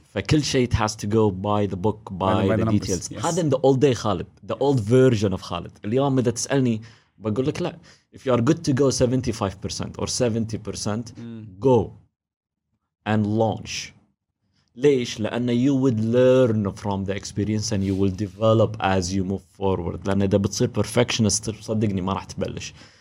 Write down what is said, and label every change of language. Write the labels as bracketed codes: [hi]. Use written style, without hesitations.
[ar] فكل شيء [en] it has to go by the book, by the details. هذا in the old day خالد, the old version of خالد. [ar] اليوم إذا تسألني بقول لك لا. [en] If you are good to go 75% or 70%, go and launch. [ar] ليش؟ لأن [en] you would learn from the experience and you will develop as you move forward. [ar] لأن إذا بتصير perfectionist صدقني ما راح تبلش.